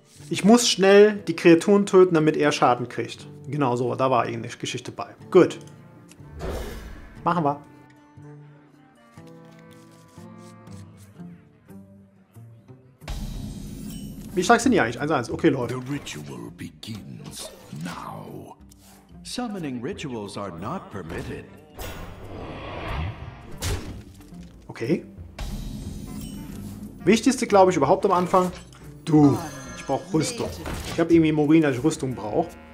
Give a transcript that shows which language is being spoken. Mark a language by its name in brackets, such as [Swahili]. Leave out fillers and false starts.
[German] Ich muss schnell die Kreaturen töten, damit er Schaden kriegt. Genau so, da war irgendeine Geschichte bei. Gut. Machen wir. Wie stark sind die eigentlich? 1-1. Okay, Leute. [English] The ritual begins now. Summoning rituals are not permitted. Okay. [German] Wichtigste, glaube ich, überhaupt am Anfang. Du, ich brauche Rüstung. Ich habe irgendwie Morin, dass ich Rüstung brauche.